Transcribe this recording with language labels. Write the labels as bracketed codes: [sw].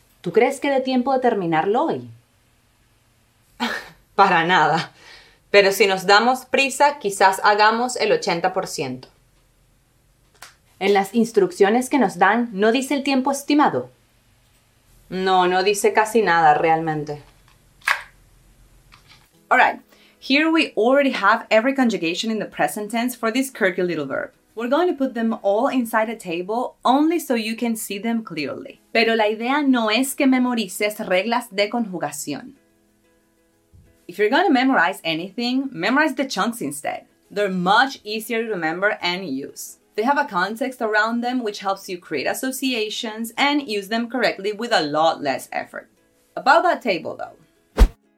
[es] ¿Tú crees que dé tiempo de terminarlo hoy? Para nada. Pero si nos damos prisa, quizás hagamos el 80%. En las instrucciones que nos dan, ¿no dice el tiempo estimado? No, no dice casi nada realmente. [en] Alright, here we already have every conjugation in the present tense for this quirky little verb. We're going to put them all inside a table only so you can see them clearly. [es] Pero la idea no es que memorices reglas de conjugación. [en] If you're going to memorize anything, memorize the chunks instead. They're much easier to remember and use. They have a context around them which helps you create associations and use them correctly with a lot less effort. About that table though.